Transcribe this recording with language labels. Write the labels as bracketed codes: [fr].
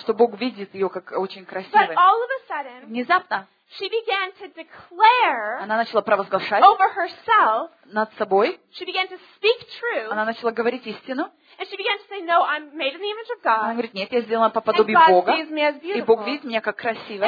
[ru] Что Бог видит ее как очень красивой. [en] But all of a sudden, [ru] внезапно, [en] she began to declare, [ru] она начала провозглашать [en] over herself, [ru] над собой. [en] She began to speak truth, [ru] она начала говорить истину. [en] And she began to say, "No, I'm made in the image of God." [ru] Она говорит, нет, я сделана по подобию Бога. [en] And God sees me as beautiful. [ru] И Бог видит меня как красивой.